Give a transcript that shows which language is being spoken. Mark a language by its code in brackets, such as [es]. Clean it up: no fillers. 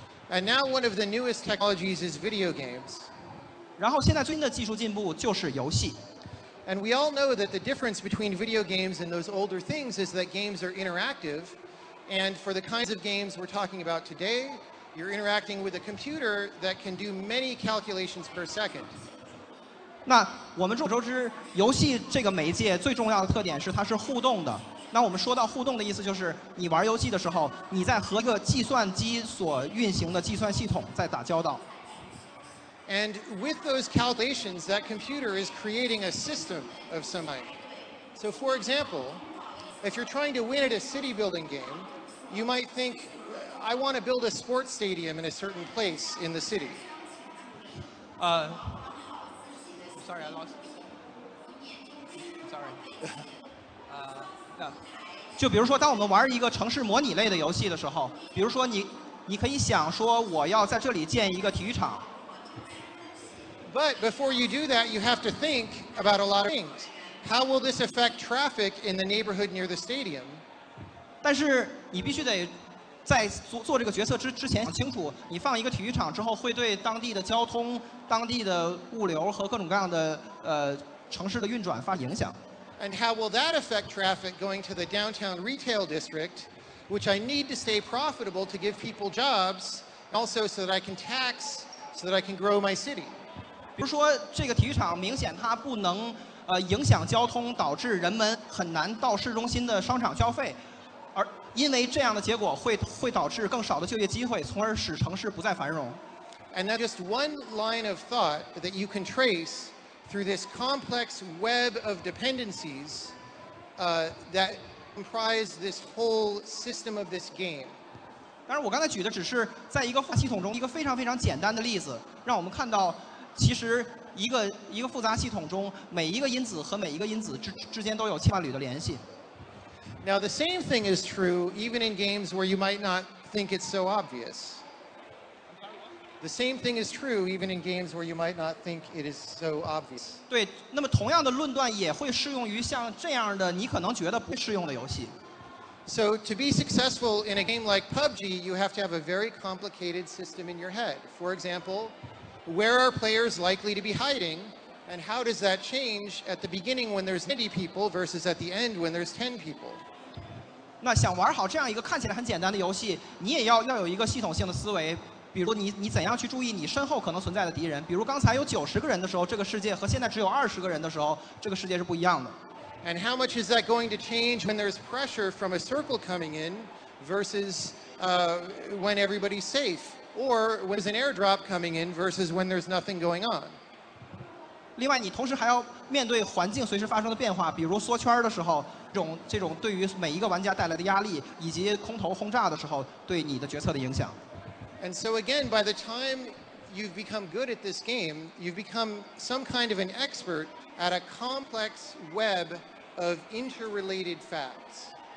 [en] And now one of the newest technologies is video games. [zh] 然后现在最新的技术进步就是游戏。 [en] And we all know that the difference between video games and those older things is that games are interactive. And for the kinds of games we're talking about today, you're interacting with a computer that can do many calculations per second. [zh] 那我们众所周知，游戏这个媒介最重要的特点是它是互动的。那我们说到互动的意思就是，你玩游戏的时候，你在和一个计算机所运行的计算系统在打交道。 [en] And with those calculations, that computer is creating a system of some kind. So for example, if you're trying to win at a city building game, you might think, I want to build a sports stadium in a certain place in the city. Sorry. No. [zh] 就比如说当我们玩一个城市模拟类的游戏的时候，比如说你可以想说我要在这里建一个体育场。 [en] But before you do that, you have to think about a lot of things. How will this affect traffic in the neighborhood near the stadium? [zh] 但是你必须得在做这个决策之前想清楚，你放一个体育场之后会对当地的交通、当地的物流和各种各样的城市的运转发生影响。 [en] And how will that affect traffic going to the downtown retail district, which I need to stay profitable to give people jobs, also so that I can tax, so that I can grow my city. [zh] 比如说这个体育场明显它不能影响交通，导致人们很难到市中心的商场消费，而因为这样的结果会导致更少的就业机会，从而使城市不再繁荣。 [en] And that's just one line of thought that you can trace through this complex web of dependencies that comprise this whole system of this game. [zh] 当然我刚才举的只是在一个系统中一个非常非常简单的例子，让我们看到其实一个复杂系统中每一个因子和每一个因子之间都有千万缕的联系。 [en] Now the same thing is true even in games where you might not think it's so obvious. The same thing is true even in games where you might not think it is so obvious. [zh] 对，那么同样的论断也会适用于像这样的你可能觉得不适用的游戏。 [en] So to be successful in a game like PUBG, you have to have a very complicated system in your head. For example,Where are players likely to be hiding, and how does that change at the beginning when there's 90 people versus at the end when there's 10 people? [zh] 那想玩好这样一个看起来很简单的游戏，你也要有一个系统性的思维，比如你怎样去注意你身后可能存在的敌人，比如刚才有90个人的时候，这个世界和现在只有20个人的时候，这个世界是不一样的。 [en] And how much is that going to change when there's pressure from a circle coming in versus when everybody's safe? Or when there's an airdrop coming in versus when there's nothing going on? [zh] 另外你同时还要面对环境随时发生的变化，比如缩圈的时候，这种对于每一个玩家带来的压力，以及空投轰炸的时候对你的决策的影响。 [en] And so again, by the time you've become good at this game, you've become some kind of an expert at a complex web of interrelated facts.